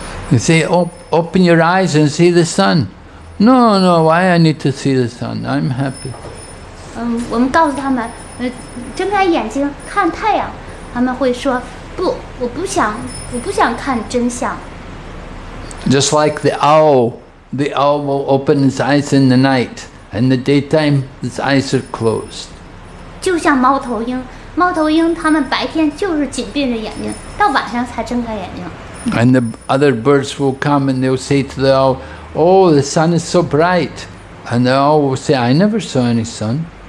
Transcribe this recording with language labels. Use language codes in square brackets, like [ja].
[en] You say, oh, open your eyes and see the sun. No, no, why I need to see the sun? I'm happy. [zh] 我们告诉他们，睁开眼睛看太阳。他们会说，不，我不想看真相。Just [en] like the owl will open its eyes in the night, and the daytime its eyes are closed. [zh] 就像猫头鹰，猫头鹰它们白天就是紧闭着眼睛，到晚上才睁开眼睛。 [en] And the other birds will come and they'll say to the owl, oh, the sun is so bright. And the owl will say, I never saw any sun.